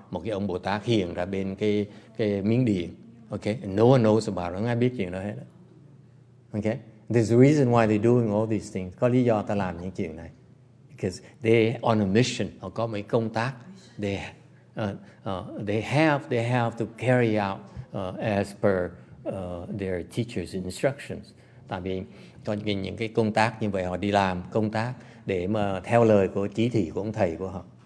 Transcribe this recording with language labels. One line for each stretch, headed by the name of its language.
Vietnamese: Một cái ông Bồ Tát hiện ra bên cái Miến Điện. Okay.
English: And no one knows about it.
Vietnamese: Không ai biết chuyện đó hết. Okay.
English: There's a reason why they're doing all these things.
Vietnamese: Có lý do ta làm những chuyện này.
English: Because they're on a mission.
Vietnamese: Họ có mấy công tác.
English: They have to carry out as per their teacher's instructions.
Vietnamese: Tại vì có những cái công tác như vậy, họ đi làm công tác để mà theo lời của chỉ thị của ông thầy của họ.